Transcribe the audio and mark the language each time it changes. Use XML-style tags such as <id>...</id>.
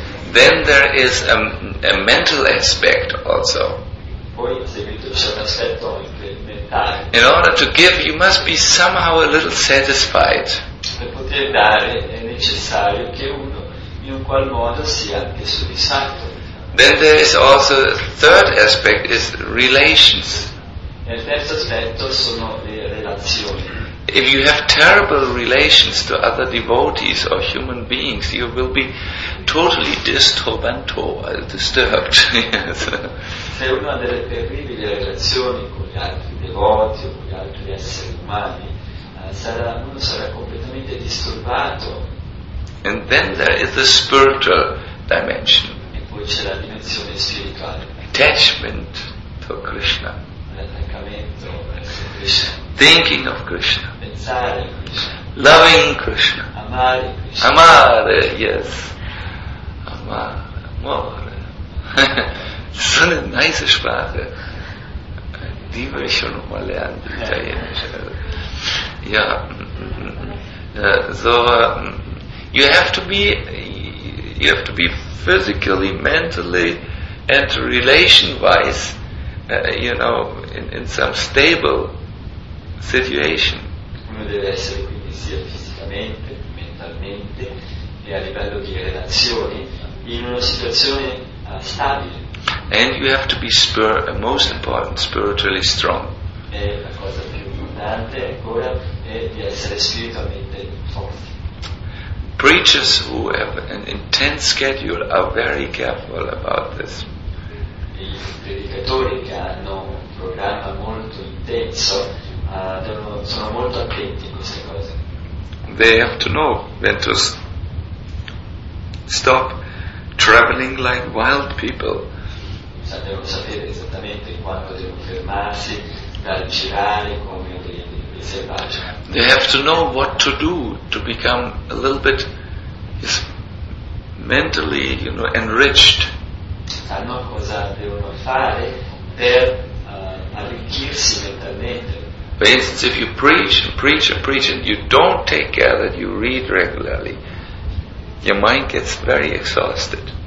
<en>Then there is a mental aspect also.</en> <it>Poi in seguito c'è un aspetto mentale.</it> <en>In order to give, you must be somehow a little satisfied.</en> <it>Per poter dare è necessario che uno in un qual modo sia anche soddisfatto.</it> <en>Then there is also a third aspect, is relations.</en> <it>Il terzo aspetto sono le relazioni.</it> <en>If you have terrible relations to other devotees or human beings, you will be totally disturbed.</en> <it>Se uno ha delle terribili relazioni con gli altri devoti o con gli altri esseri umani, uno sarà completamente disturbato.</it> <en>And then there is the spiritual dimension.</en> <it>E poi c'è la dimensione spirituale.</it> <en>Attachment to Krishna.</en> <it>L'attaccamento verso Krishna.</it> <en>Thinking of Krishna.</en> <it>Pensare a Krishna.</it> <en>Loving Krishna.</en> <it>Amare Krishna. Amare, yes. Amare, amore.</it> <de>So eine nice Sprache. Die will ich schon noch mal lernen, die italienische.</de> <en>Ja, so you have to be physically, mentally, and relation-wise, in some stable situation.</en> <it>Uno deve essere quindi sia fisicamente, mentalmente e a livello di relazioni in una situazione stabile.</it> <en>And you have to be most important, spiritually strong.</en> <it>È la cosa più dominante ancora e di essere spiritualmente forti.</it> <en>Preachers who have an intense schedule are very careful about this.</en> <it>I predicatori che hanno un programma molto intenso sono molto attenti a queste cose.</it> <en>They have to know when to stop traveling like wild people.</en> <it>Devono sapere esattamente quando devono fermarsi dal girare come dei selvaggi.</it> <en>They have to know what to do to become a little bit mentally, you know, enriched.</en> <it>Sanno cosa devono fare per arricchirsi mentalmente.</it> <en>For instance, if you preach and preach and preach and you don't take care that you read regularly, your mind gets very exhausted.</en>